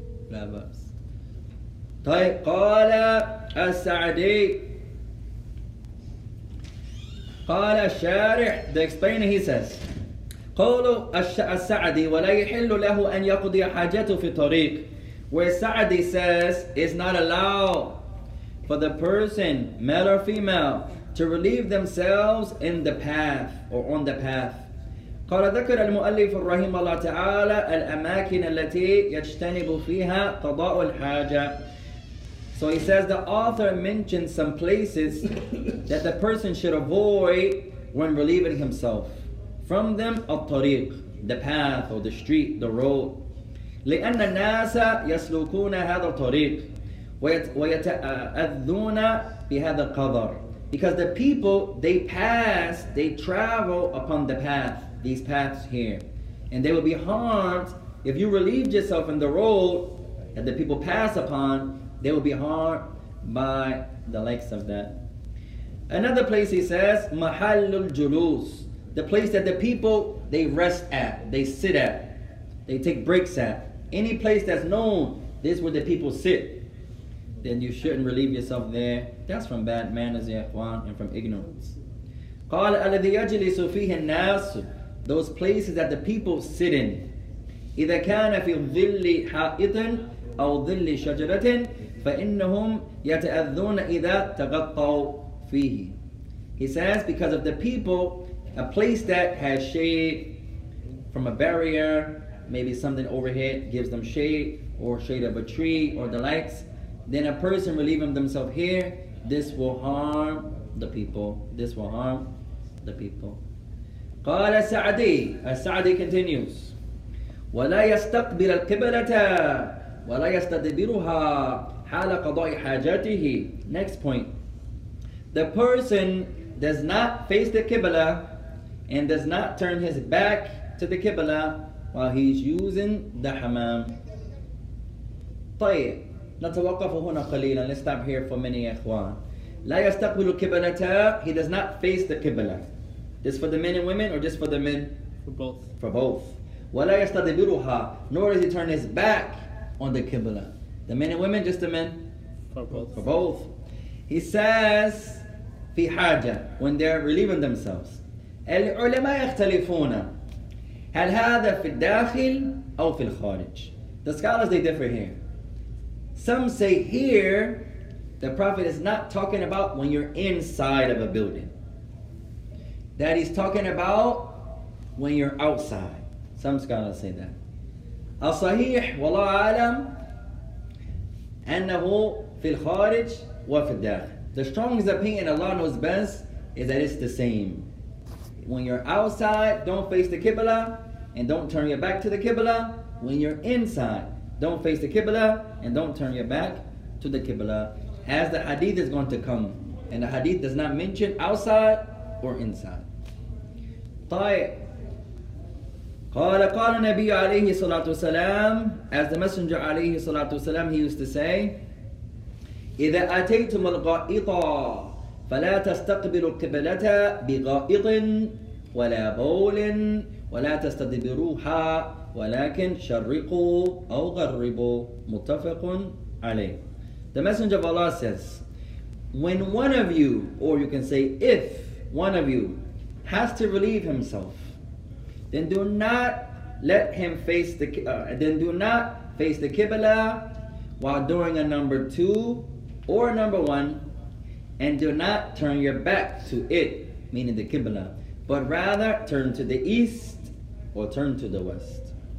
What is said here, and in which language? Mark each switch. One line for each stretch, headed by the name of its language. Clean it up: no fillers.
English: Grab us.
Arabic: طيب قال السعدي قال الشارع
English: the explainer, he says
Arabic: قول السعدي ولا يحل له أن يقضي حاجته في طريق,
English: where Sa'di says it's not allowed for the person, male or female, to relieve themselves in the path or on the path.
Arabic: قال ذكر المؤلف الرحيم الله تعالى الأماكن التي يجتنب فيها قضاء الحاجة.
English: So he says the author mentioned some places that the person should avoid when relieving himself from them. الطريق, the path or the street, the road.
Arabic: لأن الناس يسلكون هذا الطريق ويتأذون بهذا القدر.
English: Because the people, they pass, they travel upon the path, these paths here. And they will be harmed. If you relieved yourself in the road that the people pass upon, they will be harmed by the likes of that. Another place he says,
Arabic: mahallul julus,
English: the place that the people, they rest at, they sit at, they take breaks at. Any place that's known, this is where the people sit. Then you shouldn't relieve yourself there. That's from bad manners,
Arabic: ya ikhwan,
English: and from ignorance.
Arabic: قال الذي يجلس فيه الناس,
English: those places that the people sit in.
Arabic: إذا كان في ظل حائط أو ظل شجرة فإنهم يتأذون إذا تغطوا فيه.
English: He says because of the people, a place that has shade from a barrier, maybe something overhead gives them shade, or shade of a tree or the likes, then a person relieving themselves here, this will harm the people. This will harm the people.
Arabic: قال السعدي, السعدي
English: continues,
Arabic: ولا يستقبل القبلة ولا يستدبرها حال قضاء حاجته.
English: Next point. The person does not face the Qibla and does not turn his back to the Qibla while he's using the hammam.
Arabic: طيب. نتوقف هنا قليلا.
English: Let's stop here for many ikhwan.
Arabic: لا يستقبل القبلة,
English: he does not face the Qibla. This for the men and women or just for the men? For both. For both.
Arabic: ولا يستدبرها,
English: nor does he turn his back on the Qibla. The men and women, just the men? For both. For both. He says,
Arabic: في حاجة,
English: when they're relieving themselves.
Arabic: العلماء يختلفون. هل هذا في الداخل أو في الخارج?
English: The scholars, they differ here. Some say here, the Prophet is not talking about when you're inside of a building. That he's talking about when you're outside. Some scholars say that.
Arabic: الصحيح والله أعلم أنه في الخارج وفي الداخل.
English: The strongest opinion, Allah knows best, is that it's the same. When you're outside, don't face the Qibla, and don't turn your back to the Qibla. When you're inside, don't face the Qibla, and don't turn your back to the Qibla, as the hadith is going to come. And the hadith does not mention outside or inside.
Arabic: طيب. قال النبي عليه الصلاة والسلام,
English: as the Messenger
Arabic: عليه الصلاة والسلام,
English: he used to say,
Arabic: إذا أتيتم الغائطة فلا تستقبلوا القبلة بغائط ولا بول ولا تستدبروها ولكن شرقوا أو غربوا متفق عليه.
English: The Messenger of Allah says, when one of you, or you can say if one of you, has to relieve himself, then do not let him face the qibla while doing a number two or number one, and do not turn your back to it, meaning the Qibla, but rather turn to the east or turn to the west.